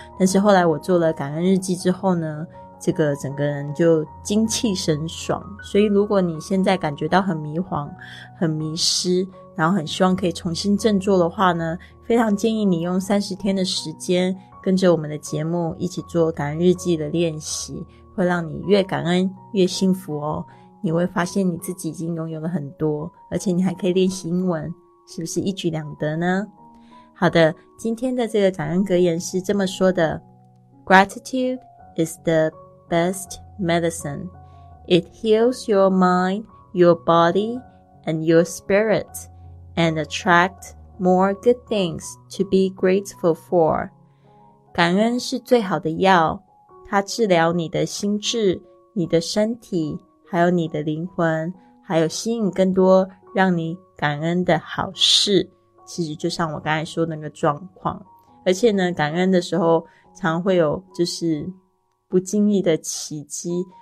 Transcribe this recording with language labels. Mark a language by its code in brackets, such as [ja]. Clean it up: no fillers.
[zh] 但是后来我做了感恩日记之后呢，这个整个人就精气神爽，所以如果你现在感觉到很迷惘、很迷失，然后很希望可以重新振作的话呢，非常建议你用30天的时间跟着我们的节目一起做感恩日记的练习，会让你越感恩越幸福哦。你会发现你自己已经拥有了很多，而且你还可以练习英文，是不是一举两得呢？好的，今天的这个感恩格言是这么说的， [en] Gratitude is the best medicine. It heals your mind, your body, and your spirit, and attract more good things to be grateful for. [zh] 感恩是最好的药，它治疗你的心智、你的身体，还有你的灵魂，还有吸引更多让你感恩的好事。其实就像我刚才说的那个状况，而且呢，感恩的时候常会有就是不经意的奇迹。